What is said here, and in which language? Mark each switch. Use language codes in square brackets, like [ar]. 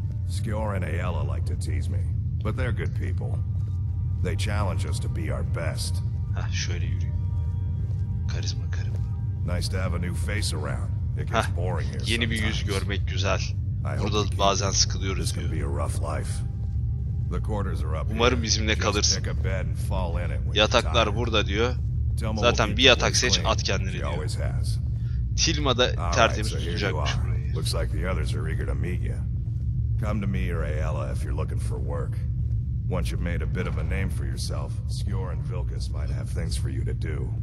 [en] Skior and Ayala like to tease me, but they're good people. They challenge us to be our best. [tr] Ha, şöyle yürüyeyim. Karizma, karizma. [en] Nice to have a new face around. It gets boring here. [tr] Yeni bir yüz görmek güzel. Burada bazen sıkılıyoruz diyor. Umarım bizimle kalırsın. Yataklar burada diyor. Zaten bir yatak seç, at kendini diyor. Tilma da tertemiz tutacakmış burayı. [en] Looks like the others are eager to meet you. Come to me or Ayala if you're looking for work. Once you've made a bit of a name for yourself, Skior and Vilkas might have things for you to do.